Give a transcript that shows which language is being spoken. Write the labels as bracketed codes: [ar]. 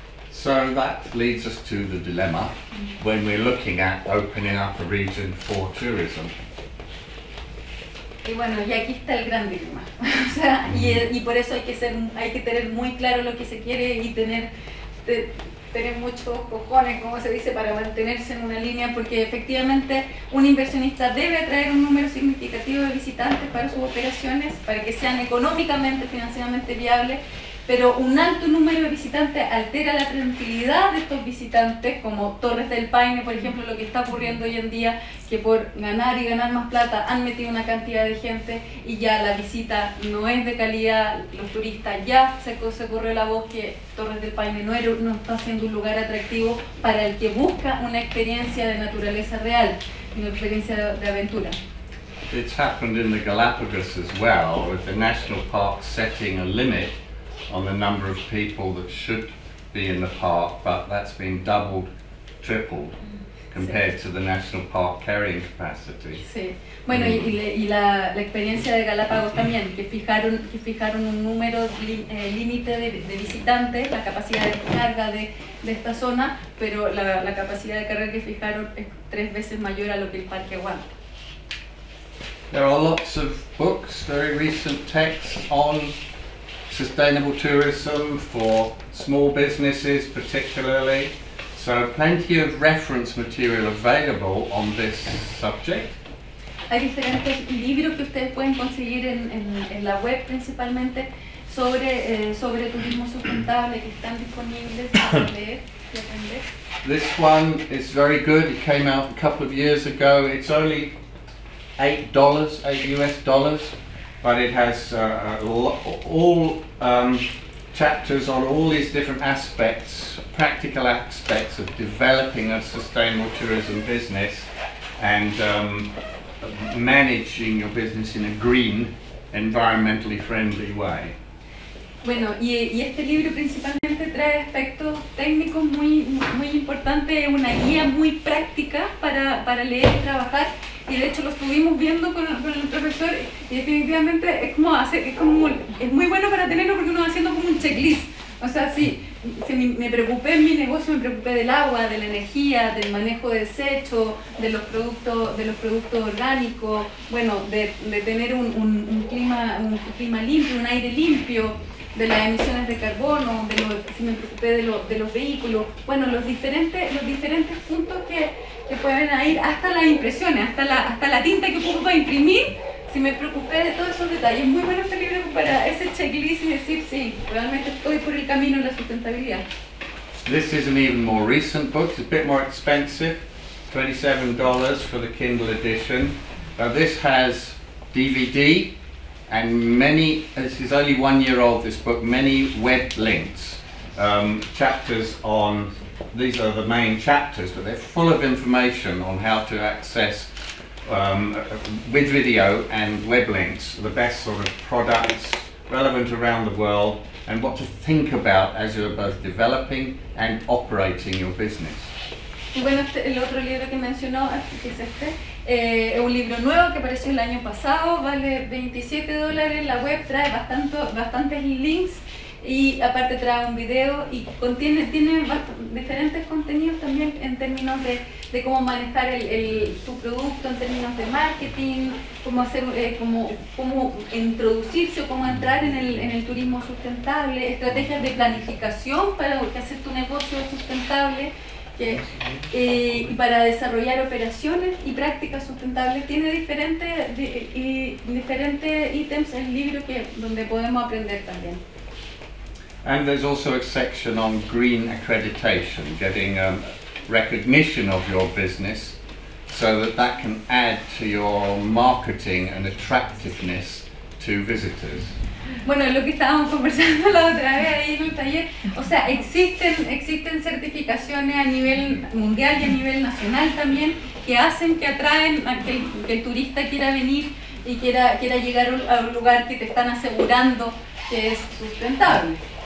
[en] So that leads us to the dilemma when we're looking at opening up a region for tourism. [es] Y bueno, y aquí está el gran dilema. O sea, y por eso hay que tener muy claro lo que se quiere y tener muchos cojones, como se dice, para mantenerse en una línea, porque efectivamente un inversionista debe atraer un número significativo de visitantes para sus operaciones, para que sean económicamente, financieramente viables. Pero un alto número de visitantes altera la tranquilidad de estos visitantes, como Torres del Paine, por ejemplo, lo que está ocurriendo hoy en día, que por ganar y ganar más plata han metido una cantidad de gente y ya la visita no es de calidad, los turistas ya se corrió la voz que Torres del Paine no está siendo un lugar atractivo para el que busca una experiencia de naturaleza real, una experiencia de aventura. [en] It's happened in the Galapagos as well, with the national park setting a limit on the number of people that should be in the park, but that's been doubled, tripled, compared to the national park carrying capacity. [es] Sí. Bueno, y la experiencia de Galápagos también, que fijaron un número límite de visitantes, la capacidad de carga de esta zona, pero la capacidad de carga que fijaron es tres veces mayor a lo que el parque aguanta. [en] There are lots of books, very recent texts on sustainable tourism for small businesses particularly. So plenty of reference material available on this subject. [es] Hay diferentes libros que ustedes pueden conseguir en la web principalmente sobre turismo sustentable que están disponibles para leer. [en] This one is very good. It came out a couple of years ago. It's only $8, but it has all chapters on all these different aspects, practical aspects of developing a sustainable tourism business and managing your business in a green, environmentally friendly way. [es] Bueno, y este libro principalmente trae aspectos técnicos muy, muy importantes, una guía muy práctica para leer y trabajar. Y de hecho lo estuvimos viendo con el profesor y definitivamente es muy bueno para tenerlo porque uno va haciendo como un checklist. O sea, si me preocupé en mi negocio, me preocupé del agua, de la energía, del manejo de desechos, de los productos orgánicos, bueno, de tener un clima limpio, un aire limpio, de las emisiones de carbono, si me preocupé de los vehículos, bueno, los diferentes puntos que pueden ir hasta las impresiones, hasta la tinta que ocupo para imprimir, si me preocupé de todos esos detalles. Muy bueno este libro para ese checklist y decir, sí, realmente estoy por el camino de la sustentabilidad. [en] This is an even more recent book, it's a bit more expensive, $27 for the Kindle edition. Now this has DVD, and many, this is only 1 year old, this book, many web links, chapters on these are the main chapters, but they're full of information on how to access, with video and web links, the best sort of products relevant around the world and what to think about as you're both developing and operating your business. [es] Y bueno, el otro libro que mencionó, que es este, es un libro nuevo que apareció el año pasado, vale $27, la web trae bastantes links y aparte trae un video y tiene diferentes contenidos también en términos de cómo manejar tu producto en términos de marketing, cómo hacer cómo introducirse o cómo entrar en el turismo sustentable, estrategias de planificación para hacer tu negocio sustentable. Y para desarrollar operaciones y prácticas sustentables tiene diferentes ítems en el libro donde podemos aprender también. [en] And there's also a section on green accreditation, getting recognition of your business so that can add to your marketing and attractiveness to visitors. [es] Bueno, lo que estábamos conversando la otra vez ahí en el taller, o sea, existen certificaciones a nivel mundial y a nivel nacional también que hacen que atraen a que el turista quiera venir y quiera llegar a un lugar que te están asegurando que es sustentable.